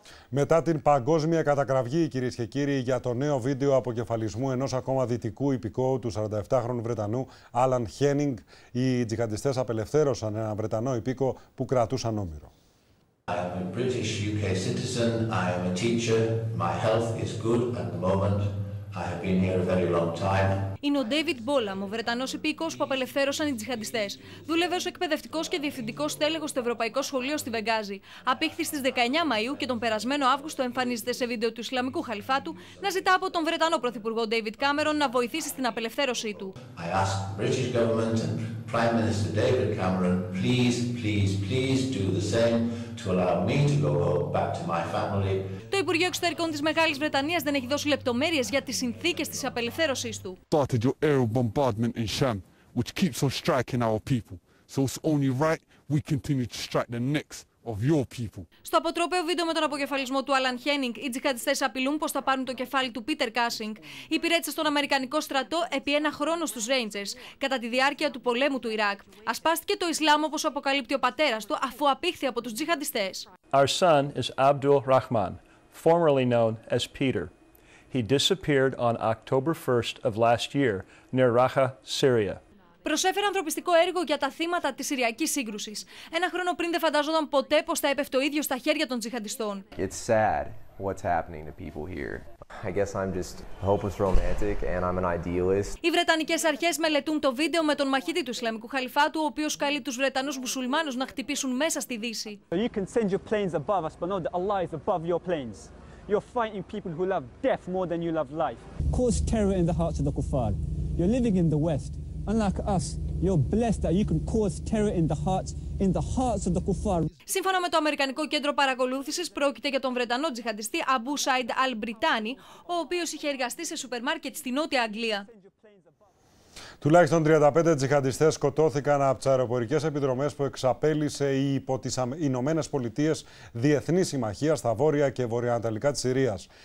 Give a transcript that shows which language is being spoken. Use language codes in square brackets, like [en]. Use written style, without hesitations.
[el] Μετά την παγκόσμια κατακραυγή, κυρίες και κύριοι, για το νέο βίντεο αποκεφαλισμού ενός ακόμα δυτικού υπηκόου του 47χρονου Βρετανού Άλαν Χένινγκ, οι τζιχαντιστές απελευθέρωσαν έναν Βρετανό υπήκο που κρατούσαν όμηρο. [en] I am a British UK citizen. I am a teacher. My health is good at the moment. I have been here a very long time. [el] Είναι ο David Bolam, ο Βρετανός υπήκοος που απελευθέρωσαν οι τζιχαντιστές. Δούλευε ως εκπαιδευτικός και διευθυντικός στέλεχος στο Ευρωπαϊκό Σχολείο στη Βεγγάζη. Απήχθη στις 19 Μαΐου και τον περασμένο Αύγουστο εμφανίζεται σε βίντεο του Ισλαμικού Χαλιφάτου να ζητά από τον Βρετανό Πρωθυπουργό David Cameron να βοηθήσει στην απελευθέρωσή του. [en] I ask the British government and Prime Minister David Cameron, please, please, please do the same to allow me to go back to my family. [el] Το Υπουργείο Εξωτερικών της Μεγάλης Βρετανίας δεν έχει δώσει λεπτομέρειες για τις συνθήκες της απελευθέρωσής του. [en] Started your aerial bombardment in Sham, which keeps on striking our people. So it's only right we continue to strike the next. [el] Στο αποτρόπαιο βίντεο με τον αποκεφαλισμό του Άλαν Χένινγκ, οι τζιχαντιστές απειλούν πως θα πάρουν το κεφάλι του Πίτερ Κάσινγκ. Υπηρέτησε στον Αμερικανικό στρατό επί ένα χρόνο στους Ρέιντζερς, κατά τη διάρκεια του πολέμου του Ιράκ. Ασπάστηκε το Ισλάμ, όπως αποκαλύπτει ο πατέρας του, αφού απήχθη από τους τζιχαντιστές. [en] Our son is Abdul Rahman, formerly known as Peter. He disappeared on October 1st of last year near Raqqa, Syria. [el] Προσέφερε ανθρωπιστικό έργο για τα θύματα της Συριακής σύγκρουσης. Ένα χρόνο πριν δεν φανταζόταν ποτέ πως θα έπεφτε ο ίδιος στα χέρια των τζιχαντιστών. [en] It's sad what's happening to people here. I guess I'm just hopeless romantic and I'm an idealist. [el] Οι Βρετανικές αρχές μελετούν το βίντεο με τον μαχητή του Ισλαμικού Χαλιφάτου, ο οποίος καλεί τους Βρετανούς μουσουλμάνους να χτυπήσουν μέσα στη Δύση. [en] You can send your planes above us, but not Allah is above your planes. You're fighting people who love death more than you love life. Cause terror in the hearts of the kuffar. You're living in the West. Unlike us, you're blessed that you can cause terror in the hearts of the kuffar. [el] Σύμφωνα με το Αμερικανικό Κέντρο Παρακολούθησης, πρόκειται για τον Βρετανό τζιχαντιστή Αμπού Σάιντ Αλ Μπριτάνι, ο οποίος είχε εργαστεί σε σούπερ μάρκετ στη Νότια Αγγλία. Τουλάχιστον 35 τζιχαντιστές σκοτώθηκαν από τις αεροπορικές επιδρομές που εξαπέλυσε η υπό τις Ηνωμένες Πολιτείες Διεθνή Συμμαχία στα βόρεια και βορειοανατολικά της Συρίας.